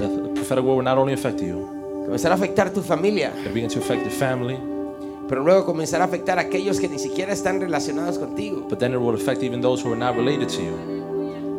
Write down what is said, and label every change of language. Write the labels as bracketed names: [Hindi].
[English] The prophetic word will not only affect you. [Spanish] Comenzará a afectar tu familia. [English] It begins to affect the family. [Spanish] Pero luego comenzará a afectar a aquellos que ni siquiera están relacionados contigo. [English] But then it will affect even those who are not related to you.